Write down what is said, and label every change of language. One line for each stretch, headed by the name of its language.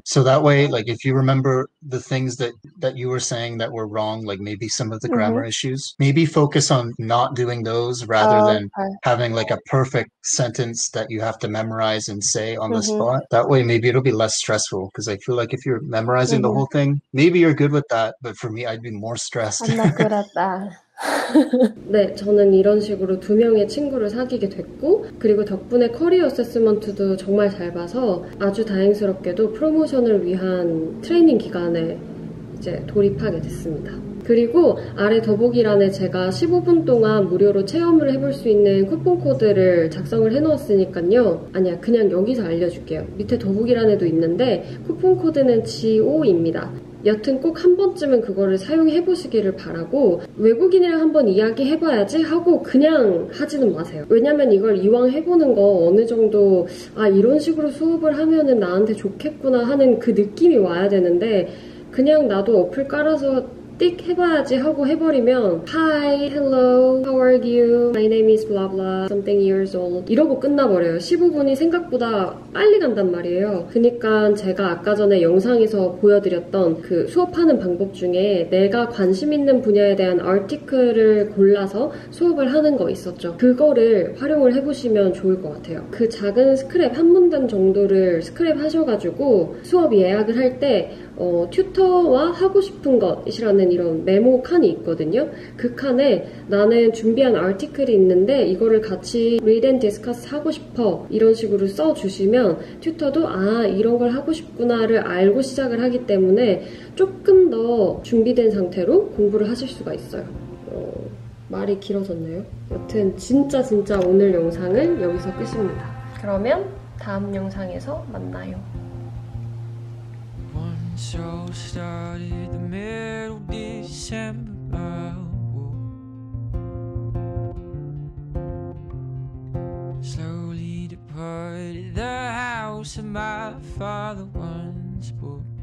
English: So that way, like if you remember the things that you were saying that were wrong, like maybe some of the grammar issues, maybe focus on not doing those rather than having like a perfect sentence that you have to memorize and say on the spot. That way, maybe it'll be less stressful because I feel like if you're memorizing the whole thing, maybe you're good with that. But for me, I'd be more stressed. I'm not good at that.
Korean: 네, 저는 이런 식으로 두 명의 친구를 사귀게 됐고 그리고 덕분에 커리어 어세스먼트도 정말 잘 봐서 아주 다행스럽게도 프로모션을 위한 트레이닝 기간에 이제 돌입하게 됐습니다. 그리고 아래 더보기란에 제가 15분 동안 무료로 체험을 해볼 수 있는 쿠폰 코드를 작성을 해놓았으니까요. 아니야, 그냥 여기서 알려줄게요. 밑에 더보기란에도 있는데 쿠폰 코드는 GO입니다. 여튼 꼭 한 번쯤은 그거를 사용해 보시기를 바라고 외국인이랑 한번 이야기해 봐야지 하고 그냥 하지는 마세요. 왜냐면 이걸 이왕 해보는 거 어느 정도 아 이런 식으로 수업을 하면은 나한테 좋겠구나 하는 그 느낌이 와야 되는데 그냥 나도 어플 깔아서 띡 해봐야지 하고 해버리면
English: Hi, hello, how are you? My name is blah blah, something years old
Korean: 이러고 끝나버려요. 15분이 생각보다 빨리 간단 말이에요. 그러니까 제가 아까 전에 영상에서 보여드렸던 그 수업하는 방법 중에 내가 관심 있는 분야에 대한 아티클을 골라서 수업을 하는 거 있었죠. 그거를 활용을 해보시면 좋을 것 같아요. 그 작은 스크랩 한 문단 정도를 스크랩 하셔가지고 수업 예약을 할 때 튜터와 하고 싶은 것이라는 이런 메모 칸이 있거든요. 그 칸에 나는 준비한 아티클이 있는데 이거를 같이
English: read and discuss
Korean: 하고 싶어 이런 식으로 써주시면 튜터도 아 이런 걸 하고 싶구나를 알고 시작을 하기 때문에 조금 더 준비된 상태로 공부를 하실 수가 있어요. 말이 길어졌네요. 여튼 진짜 진짜 오늘 영상은 여기서 끝입니다. 그러면 다음 영상에서 만나요.
English: So started the middle December. Slowly departed the house of my father once bought.